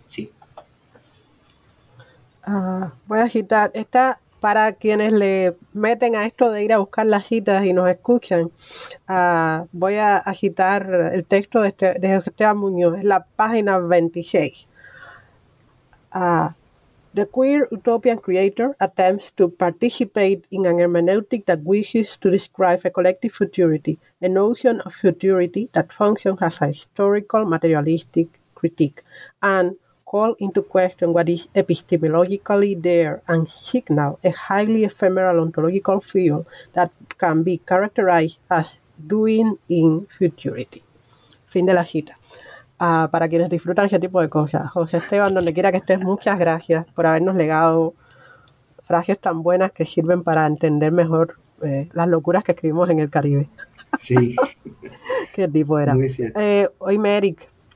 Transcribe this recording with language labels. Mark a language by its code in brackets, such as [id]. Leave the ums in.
[es] Sí. Uh, voy a agitar. Esta, para quienes le meten a esto de ir a buscar las citas y nos escuchan, uh, voy a, citar el texto de, este, de Muñoz, es la página 26. [en] Uh, The queer utopian creator attempts to participate in an hermeneutic that wishes to describe a collective futurity, a notion of futurity that functions as a historical materialistic critique, and call into question what is epistemologically there and signal a highly ephemeral ontological field that can be characterized as doing in futurity. [es] Fin de la cita. Uh, para quienes disfrutan ese tipo de cosas, José Esteban, donde quiera que estés, muchas gracias por habernos legado frases tan buenas que sirven para entender mejor eh, las locuras que escribimos en el Caribe. Sí. Qué tipo era. Muy cierto. Eh, hoy me Eric.